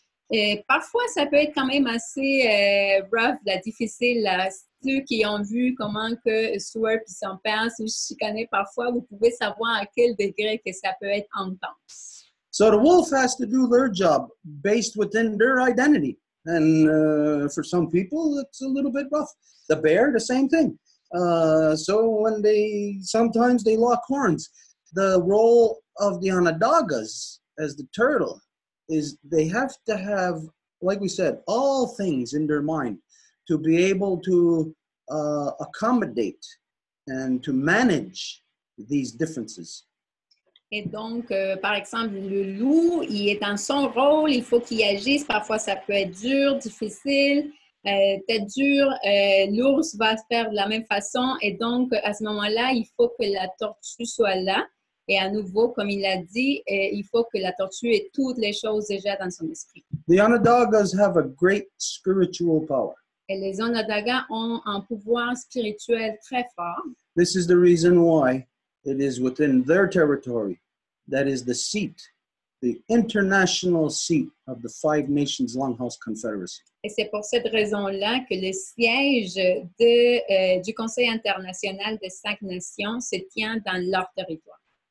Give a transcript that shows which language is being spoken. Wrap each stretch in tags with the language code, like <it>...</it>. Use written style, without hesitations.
<fr>Et parfois, ça peut être quand même assez rough, là, difficile. Là. Ceux qui ont vu comment que Stuart puis son père se chicanaient parfois, vous pouvez savoir à quel degré que ça peut être intense.</fr> <en>So the wolf has to do their job based within their identity. And for some people, it's a little bit rough. The bear, the same thing. So when they, sometimes they lock horns. The role of the Onondagas as the turtle is they have to have, like we said, all things in their mind to be able to accommodate and to manage these differences.</en> <fr>Et donc, par exemple, le loup, il est dans son rôle, il faut qu'il agisse. Parfois, ça peut être dur, difficile, peut-être dur. L'ours va faire de la même façon. Et donc, à ce moment-là, il faut que la tortue soit là. Et à nouveau, comme il l'a dit, il faut que la tortue ait toutes les choses déjà dans son esprit.</fr> <en>The Onondagas have a great spiritual power.</en> <fr>Et les Onondagas ont un pouvoir spirituel très fort.</fr> <en>This is the reason why. It is within their territory that is the seat, the international seat of the Five Nations Longhouse Confederacy.</en> <fr>Et c'est pour cette raison-là que le siège de, du Conseil international des cinq nations se tient dans leur territoire.</fr>